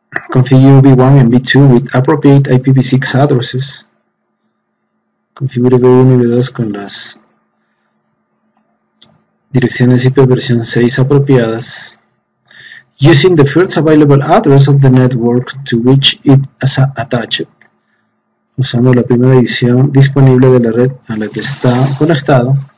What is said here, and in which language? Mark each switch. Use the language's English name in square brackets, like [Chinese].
[English] Configure B1 and B2 with appropriate IPv6 addresses. [Spanish] Configure B1 y B2 con las direcciones IP versión 6 apropiadas. [English] Using the first available address of the network to which it is attached. [Spanish] Usando la primera edición disponible de la red a la que está conectado.